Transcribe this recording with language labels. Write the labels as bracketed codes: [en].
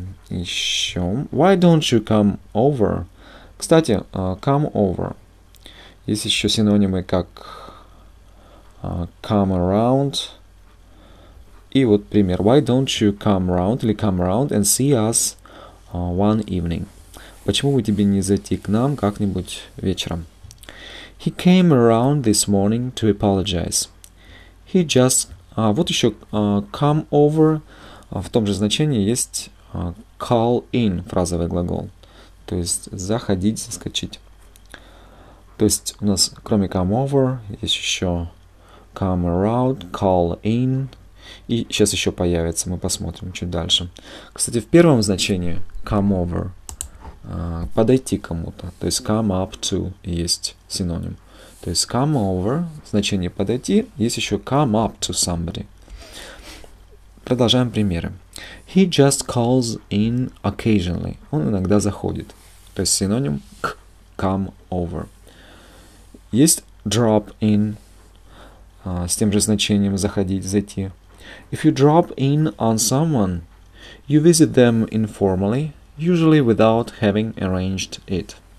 [en] Еще. Why don't you come over? [ru] Кстати, come over. Есть еще синонимы, как come around. И вот пример. [en] Why don't you come around или come around and see us one evening? [ru] Почему бы тебе не зайти к нам как-нибудь вечером? [en] He came around this morning to apologize. He just... [ru] Вот еще come over. В том же значении есть call in, фразовый глагол. То есть заходить, заскочить. То есть у нас кроме come over есть еще come around, call in. И сейчас еще появится, мы посмотрим чуть дальше. Кстати, в первом значении come over подойти кому-то. То есть come up to есть синоним. То есть come over, значение подойти, есть еще come up to somebody. Продолжаем примеры. [en] He just calls in occasionally. [ru] Он иногда заходит. То есть синоним к come over. Есть drop in с тем же значением заходить, зайти. [en] If you drop in on someone, you visit them informally, usually without having arranged it.